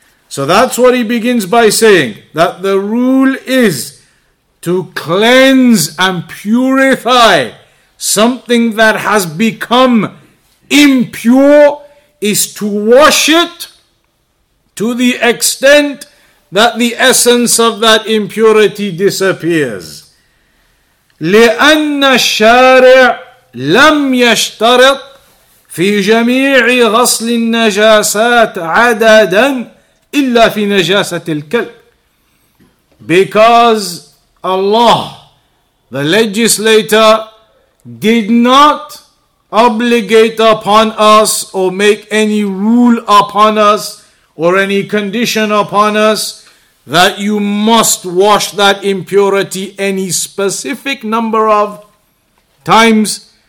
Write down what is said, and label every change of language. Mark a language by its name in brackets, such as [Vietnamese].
[English] So that's what he begins by saying, that the rule is to cleanse and purify something that has become impure, is to wash it to the extent that the essence of that impurity disappears. [Arabic] لأن الشارع لم يشترط في جميع غسل النجاسات عددا إلا في نجاسة الكلب. [English] Because Allah, the legislator, did not obligate upon us or make any rule upon us or any condition upon us that you must wash that impurity any specific number of times.